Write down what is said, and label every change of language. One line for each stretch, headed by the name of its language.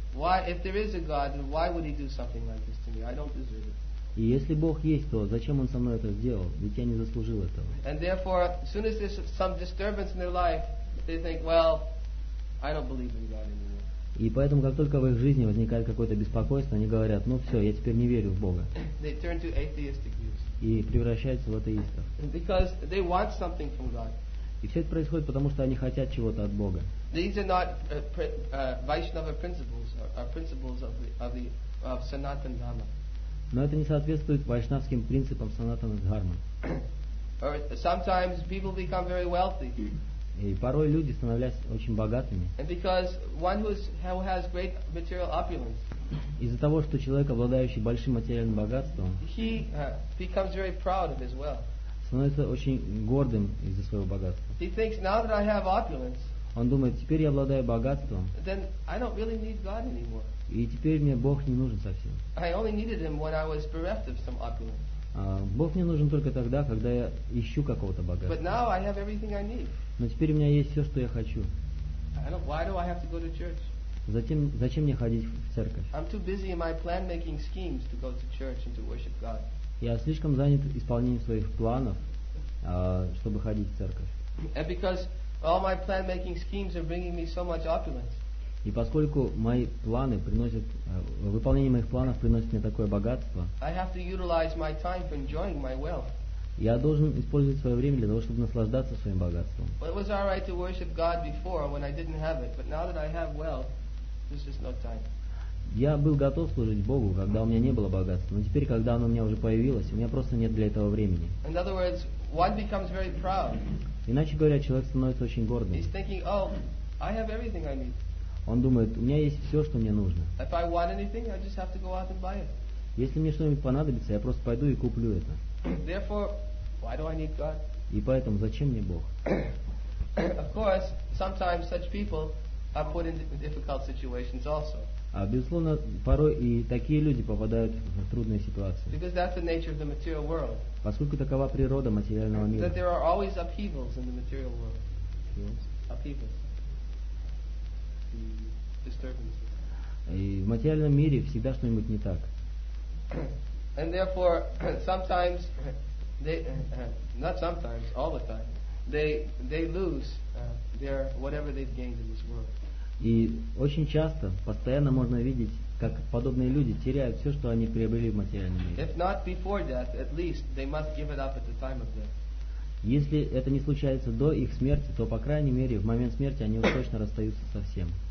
English: Why, if there is a God, then why would He do something like this to me? I don't deserve it.
Russian: И если Бог есть, то зачем Он со мной это сделал? Ведь я не заслужил этого.
English: And therefore, as soon as there's some disturbance in their life, they think, well, I don't believe in God anymore.
Russian: И поэтому, как только в их жизни возникает какое-то беспокойство, они говорят, ну все, я теперь не верю в Бога.
English: They turn to atheistic views.
Russian: И превращаются в атеистов.
English: Because they want something from God.
Russian: И все это происходит, потому что они хотят чего-то от Бога.
English: These are not Vaishnava principles, or principles of Sanatana Dharma.
Russian: Но это не соответствует вайшнавским принципам Санатана Дхармы.
English: Or sometimes people become very wealthy.
Russian: И порой люди становятся очень богатыми.
English: And because one who has great material opulence.
Russian: Из-за того, что человек, обладающий большим материальным богатством,
English: he becomes very proud of his wealth.
Russian: Становится очень гордым из-за своего богатства.
English: He thinks, now that I have opulence,
Russian: он думает, теперь я обладаю богатством.
English: Then I don't really need God anymore.
Russian: И теперь мне Бог не нужен совсем.
English: I only needed him when I was bereft of some opulence.
Russian: Бог мне нужен только тогда, когда я ищу какого-то богатства.
English: But now I have everything I need.
Russian: Но теперь у меня есть все, что я хочу.
English: Why do I have to go to church?
Russian: Зачем мне ходить в церковь?
English: I'm too busy in my plan-making schemes to go to church and to worship God.
Russian: Я слишком занят исполнением своих планов, чтобы ходить в церковь.
English: And because all my plan-making schemes are bringing me so much opulence.
Russian: И поскольку мои планы приносят, выполнение моих планов приносит мне такое богатство,
English: I have to utilize my time for enjoying my wealth.
Russian: Я должен использовать свое время для того, чтобы наслаждаться своим богатством.
English: Well, it was all right to worship God before when I didn't have it, but now that I have wealth, there's just no time.
Russian: Я был готов служить Богу, когда у меня не было богатства, но теперь, когда оно у меня уже появилось, у меня просто нет для этого времени.
English: In other words, one becomes very proud.
Russian: Иначе говоря, человек становится очень гордым.
English: He's thinking, oh, I have everything I need.
Russian: Он думает, у меня есть все, что мне нужно.
English: If I want anything, I just have to go out and buy it.
Russian: Если мне что-нибудь понадобится, я просто пойду и куплю это.
English: Therefore, why do I need God?
Russian: И поэтому, зачем мне Бог?
English: Of course, sometimes such people are put in difficult situations also.
Russian: А безусловно, порой и такие люди попадают в трудные ситуации.
English: Because that's the nature of the material world.
Russian: Поскольку такова природа материального мира.
English: That there are always upheavals in the material world. Upheavals. Disturbances.
Russian: И в материальном мире всегда что-нибудь не так.
English: And therefore, sometimes they, not sometimes, all the time, they lose their whatever they've gained in this world.
Russian: И очень часто, постоянно можно видеть, как подобные люди теряют все, что они приобрели в материальном мире.
English: If not before death, at least they must give it up at the time of death.
Russian: Если это не случается до их смерти, то по крайней мере в момент смерти они уж точно расстаются со всем.